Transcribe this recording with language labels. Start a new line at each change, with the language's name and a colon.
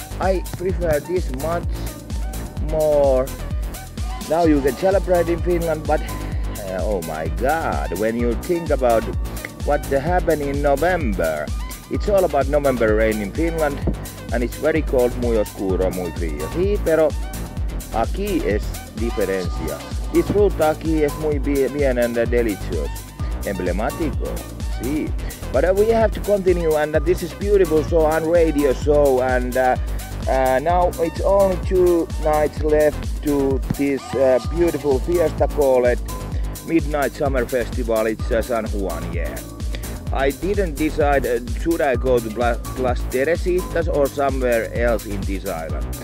English: I prefer this much more. Now you can celebrate in Finland, but oh my god, when you think about what happened in November, it's all about November rain in Finland, and it's very cold,
Spanish: muy oscuro, muy frío. Sí, pero aquí es diferencia.
English: This fruit
Spanish: aquí es muy bien
English: and delicious.
Spanish: Emblemático, sí.
English: But we have to continue, and this is beautiful show on radio show, and now it's only two nights left to this beautiful fiesta called Midnight Summer Festival. It's San Juan, yeah. I didn't decide should I go to Las Teresitas or somewhere else in this island.